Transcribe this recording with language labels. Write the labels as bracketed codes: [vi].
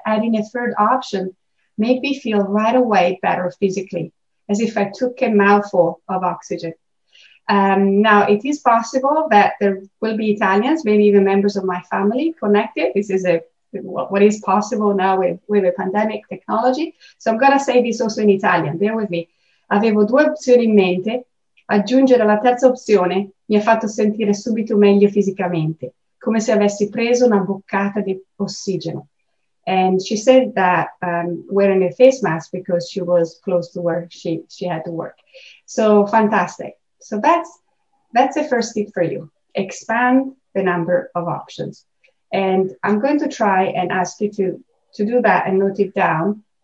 [en] Adding a third option made me feel right away better physically, as if I took a mouthful of oxygen. Now, it is possible that there will be Italians, maybe even members of my family connected. This is what is possible now with the pandemic technology. So I'm going to say this also in Italian. Bear with me. [it] Avevo due opzioni in mente. Aggiungere la terza opzione mi ha fatto sentire subito meglio fisicamente, come se avessi preso una boccata di ossigeno. [en] And she said that wearing a face mask because she was close to where she had to work. So fantastic. So that's the first tip for you. Expand the number of options. And I'm going to try and ask you to do that and note it down